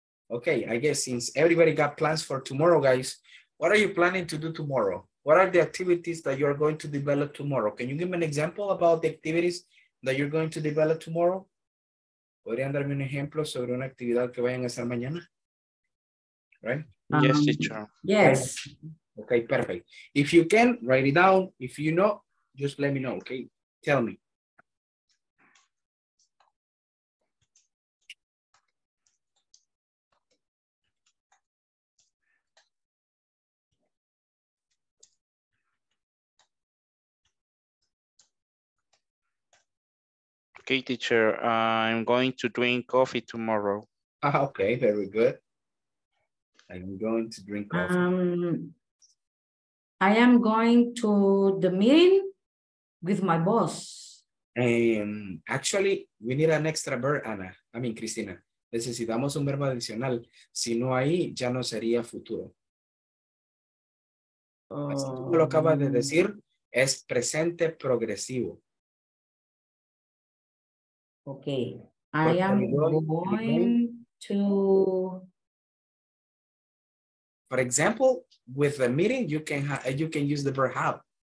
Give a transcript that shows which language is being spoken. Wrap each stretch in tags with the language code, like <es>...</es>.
<en>Okay, I guess since everybody got plans for tomorrow, guys, what are you planning to do tomorrow? What are the activities that you're going to develop tomorrow? Can you give me an example about the activities that you're going to develop tomorrow?</en> <es>¿Podrían darme un ejemplo sobre una actividad que vayan a hacer mañana?</es> <en>Right? Yes, teacher. Yes. Okay, perfect. If you can, write it down. If you know, just let me know, okay? Tell me. Okay, teacher, I'm going to drink coffee tomorrow. Ah, okay, very good. I'm going to drink coffee. I am going to the meeting with my boss. Actually, we need an extra verb, Ana. I mean, Cristina.</en> <es>Necesitamos un verbo adicional. Si no ahí, ya no sería futuro. Así como lo acabas de decir, es presente progresivo.</es> <en>Okay. For example, with the meeting, you can use the verb have.</en>